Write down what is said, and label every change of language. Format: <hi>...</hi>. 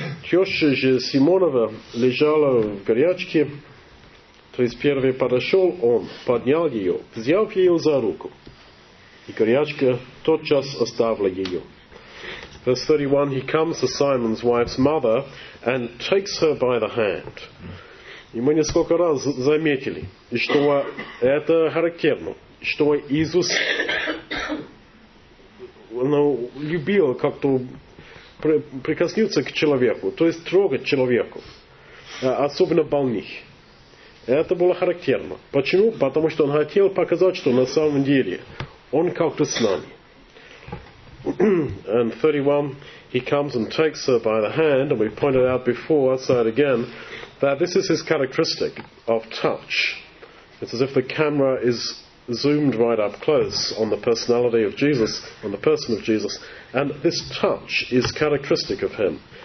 <ru>Теща же Симонова лежала в горячке. 31 подошел он, поднял ее, взял ее за руку. И горячка тотчас оставила ее.</ru> <en>Verse 31, he comes to Simon's wife's mother and takes her by the hand.</en> <ru>И мы несколько раз заметили, что это характерно, что Иисус любил как-то прикоснуться к человеку, то есть трогать человеку, особенно больных. Это было характерно. Почему? Потому что он хотел показать, что на самом деле он как-то с нами.</ru> <en>And 31, he comes and takes her by the hand, and we pointed out before, I'll say it again, that this is his characteristic of touch. It's as if the camera is zoomed right up close on the personality of Jesus, on the person of Jesus, and this touch is characteristic of him.</en>